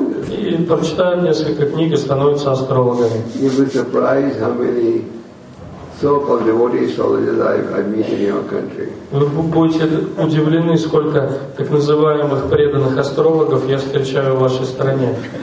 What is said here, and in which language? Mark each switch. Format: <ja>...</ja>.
<ru>И прочитав несколько книг, и становятся астрологами.</ru> <en>So-called devotee astrologers I meet in your country.</en> <ru>Вы будете удивлены, сколько так называемых преданных астрологов я встречаю в вашей стране.</ru>